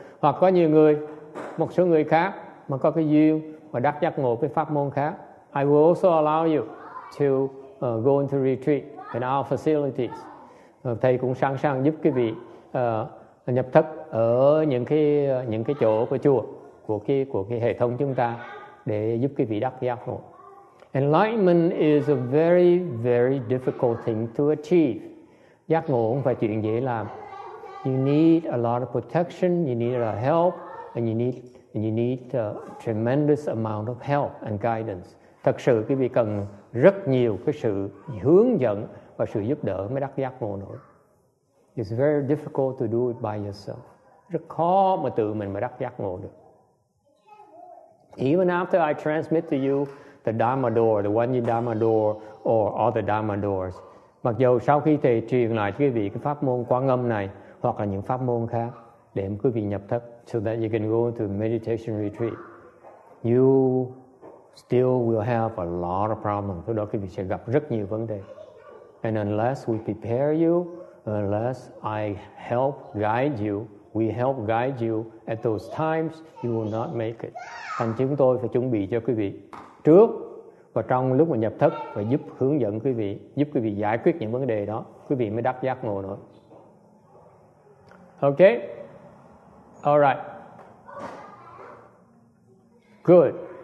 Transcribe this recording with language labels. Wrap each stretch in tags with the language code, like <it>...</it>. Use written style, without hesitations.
<vi>Hoặc có nhiều người, một số người khác mà có cái duyên mà đắc giác ngộ với pháp môn khác.</vi> <en>I will also allow you to go into retreat in our facilities.</en> <vi>Thầy cũng sẵn sàng giúp quý vị nhập thất ở những cái chỗ của chùa, của cái hệ thống chúng ta để giúp quý vị đắc giác ngộ.</vi> <en>Enlightenment is a very, very difficult thing to achieve.</en> <vi>Giác ngộ không phải chuyện dễ làm.</vi> <en>You need a lot of protection, you need a lot of help, and you need a tremendous amount of help and guidance.</en> <vi>Thật sự quý vị cần rất nhiều cái sự hướng dẫn và sự giúp đỡ mới đắc giác ngộ nổi.</vi> <en>It's very difficult to do it by yourself.</en> <vi>Rất khó mà tự mình mà đắc giác ngộ được.</vi> <en>Even after I transmit to you the Dharma door, the Guanyin Dharma door, or other Dharma doors.</en> <vi>Mặc dù sau khi thầy truyền lại cho quý vị cái pháp môn Quan Âm này hoặc là những pháp môn khác để quý vị nhập thất,</vi> <en>so that you can go to meditation retreat, you still will have a lot of problems.</en> <vi>Lúc đó quý vị sẽ gặp rất nhiều vấn đề.</vi> <en>And unless we prepare you, unless I help guide you, we help guide you at those times, you will not make it.</en> <vi>Thành chúng tôi phải chuẩn bị cho quý vị trước và trong lúc mà nhập thất và giúp hướng dẫn quý vị, giúp quý vị giải quyết những vấn đề đó, quý vị mới đắc giác ngộ nổi.</vi> <en>Okay, all right, good.</en>